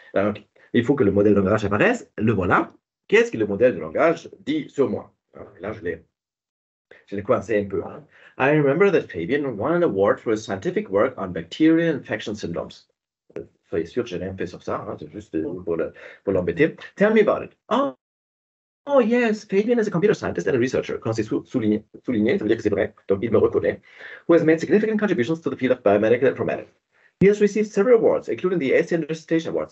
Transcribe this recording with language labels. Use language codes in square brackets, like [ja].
[fr] Donc, il faut que le modèle de langage apparaisse. Le voilà. Qu'est-ce que le modèle de langage dit sur moi? Alors, là, je l'ai coincé un peu. [en] Hein. I remember that Fabian won an award for a scientific work on bacterial infection syndromes. [fr] Soyez sûr que je n'ai rien fait sur ça. Hein. C'est juste pour l'embêter. [en] Tell me about it. [fr] Oh. [en] Oh yes, Fabian is a computer scientist and a researcher. [fr] Quand c'est souligné, ça veut dire que c'est vrai. Donc, il me reconnaît. [en] Who has made significant contributions to the field of biomedical informatics. He has received several awards, including the ACNR Citation Award.